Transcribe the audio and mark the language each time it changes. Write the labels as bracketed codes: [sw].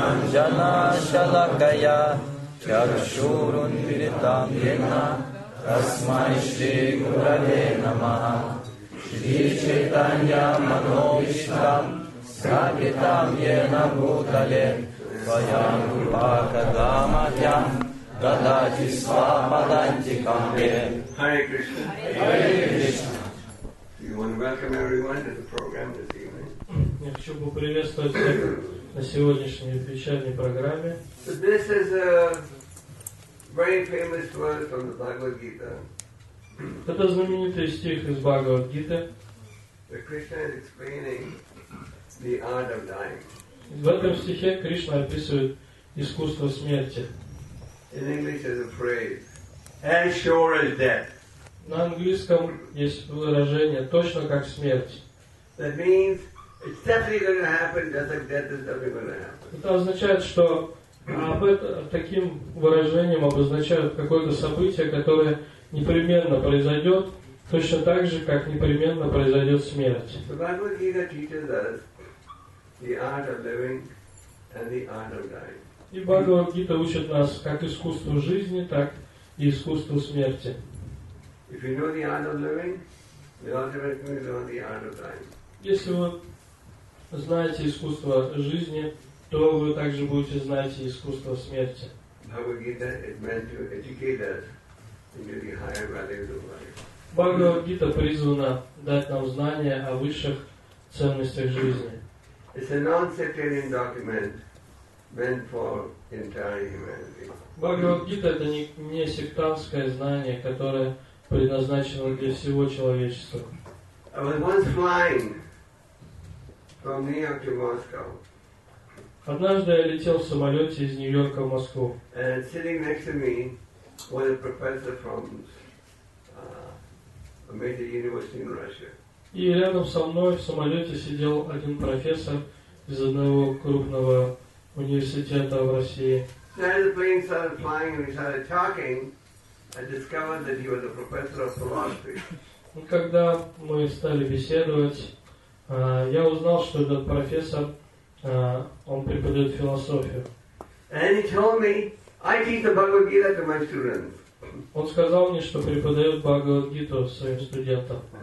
[sa] Джана Шалакая, Чакшурун Виритам Вена, Расмай Шри Гураве Намаха, Шри Чайтанья Мановиштам, Сапитам Вена Бутале, Ваям Курбака Дамахям, Дадати Свападанти Камбе. Hare Krishna. Hare Krishna. [en] We want to welcome everyone to the program this evening. [ru] Я хочу поприветствовать всех на сегодняшней вечерней программе. [en] This is a very famous verse from the Bhagavad Gita. [ru] Это знаменитый стих из Бхагавад Гиты. [en] The Krishna is explaining the art of dying. [ru] В этом стихе Кришна описывает искусство смерти. [en] In English is a phrase, as sure as death. [ru] На английском есть выражение точно как смерть. [en] That means it's definitely going to happen, just like death is definitely going to happen. [ru] Это означает, что об этом, таким выражением обозначают какое-то событие, которое непременно произойдет, точно так же, как непременно произойдет смерть. [en] The Bhagavad Gita teaches us the art of living and the art of dying. [ru] И Бхагавад Гита учит нас как искусству жизни, так и искусству смерти. [en] If you know the art of living, the ultimate thing is the art of dying. [ru] Если вы знаете искусство жизни, то вы также будете знать искусство смерти. Бхагавад-гита призвана дать нам знания о высших ценностях жизни. [en] It's a non-sectarian document meant for entire humanity. [ru] Бхагавад-гита — это не сектантское знание, которое предназначено для всего человечества. [en] I was once flying from New York to Moscow. [ru] Однажды я летел в самолете из Нью-Йорка в Москву. [en] And sitting next to me was a professor from a major university in Russia. [ru] И рядом со мной в самолете сидел один профессор из одного крупного университета в России. [en] So as the plane started flying and we started talking, I discovered that he was a professor of philosophy. [ru] Когда мы стали беседовать, я узнал, что этот профессор, он преподает философию. [en] And he told me, I teach the Bhagavad-gita to my students. [ru] Он сказал мне, что преподает Бхагавад-гиту своим студентам.